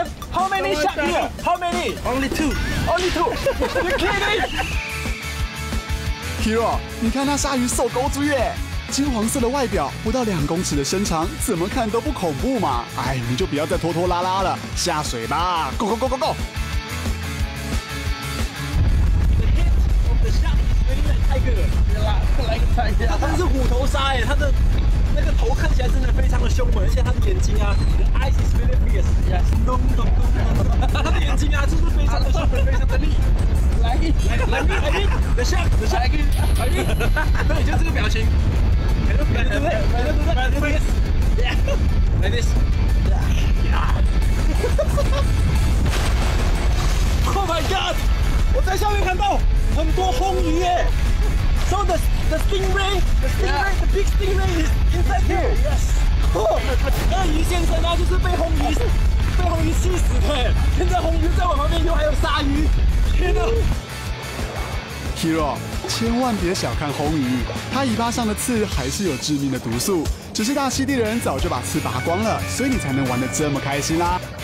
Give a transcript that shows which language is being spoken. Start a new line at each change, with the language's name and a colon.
English: How many shark here? How many? Only two. Only two. You kidding?
Chinese: Hero, 你看那鲨鱼瘦钩子耶，金黄色的外表，不到两公尺的身长，怎么看都不恐怖嘛。哎，你就不要再拖拖拉拉了，下水吧。
English: Go, go, go, go, go. The head of the shark is really like tiger. Yeah, like tiger.
Chinese: 它真的是虎头鲨耶，它的那个头看起来真的非常的凶猛，而且它的眼睛啊 ，
English: The eyes is really fierce，
Chinese: 它的眼睛啊，真的非常的凶猛，非常的厉害。来，
English: The shark，
Chinese: 来一个，对，就这个表情，对，
English: Like this， Oh my god，
Chinese: 我在下面看到很多红鱼耶。
English: So the stingray, the big stingray is inside here. Yes.
Chinese: Oh, 鳄鱼先生啊，就是被红鱼吸死的。现在红鱼在我旁边，又还有鲨鱼。天哪！Hero， 千万别小看红鱼，它尾巴上的刺还是有致命的毒素。只是大溪地的人早就把刺拔光了，所以你才能玩得这么开心啦。